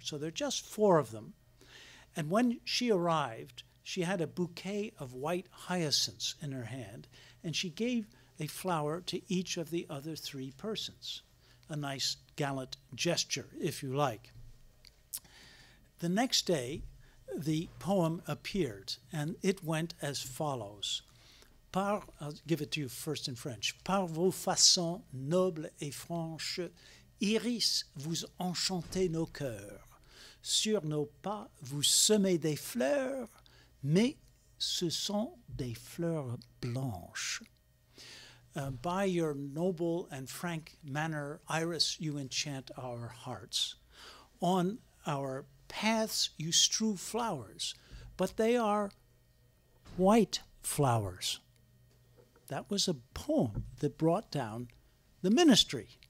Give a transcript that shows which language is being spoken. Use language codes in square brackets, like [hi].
[en] So there are just four of them. And when she arrived, she had a bouquet of white hyacinths in her hand, and she gave a flower to each of the other three persons, a nice gallant gesture, if you like. The next day, the poem appeared, and it went as follows. I'll give it to you first in French. [fr] Par vos façons nobles et franches, Iris, vous enchantez nos cœurs. Sur nos pas, vous semez des fleurs, mais ce sont des fleurs blanches. [en] By your noble and frank manner, Iris, you enchant our hearts. On our paths, you strew flowers, but they are white flowers. That was a poem that brought down the ministry.